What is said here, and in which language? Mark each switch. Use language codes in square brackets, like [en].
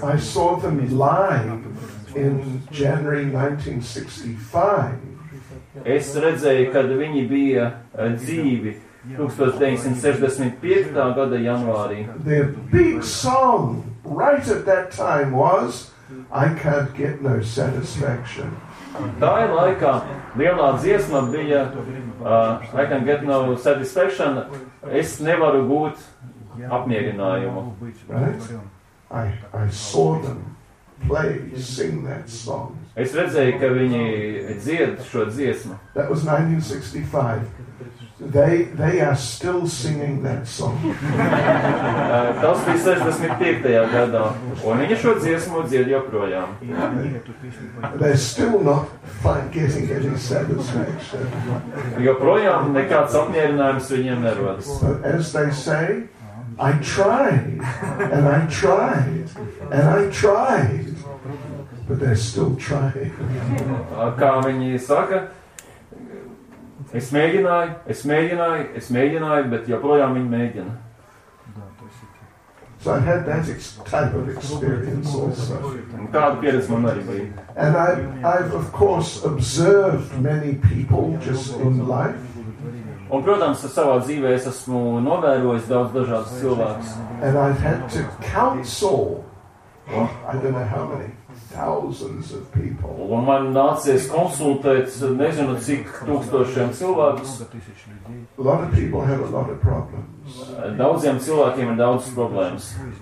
[en] I saw them live in January 1965. [lv] Es redzēju, kad viņi bija dzīvi 1965. Gada janvārī. [en] Their big song right at that time was I can't get no satisfaction. [lv] Tā laikā lielā dziesma bija [en] I can't get no satisfaction. [lv] Es nevaru būt apmierinājumu. [en] Right? I saw them play, sing that song. [lv] Es redzēju, ka viņi dzied šo dziesmu. [en] That was 1965. They are still singing that song. [lv] Tas bija 65. Gadā, un viņi šo dziesmu dzied joprojām. [en] They're still not getting any satisfaction. [lv] Joprojām nekāds apmierinājums viņiem nerodas. [en] But as they say, I tried, and I tried, and I tried, but they're still trying. [lv] Kā viņi saka? Es mēģināju, es mēģināju, es mēģināju, bet joprojām viņi mēģina. [en] So I had that type of experience also. [lv] Un kādu pieredzi man arī bija. [en] And I've of course observed many people just in life. [lv] Un, protams, savā dzīvē es esmu novērojis daudz dažādas cilvēkus. [en] And I've had to counsel, I don't know how many. Thousands of people. [lv] Un man nācies konsultēt, nezinu, cik tūkstošiem cilvēkus. [en] A lot of people have a lot of problems. [lv] Daudziem cilvēkiem ir daudz problēmas.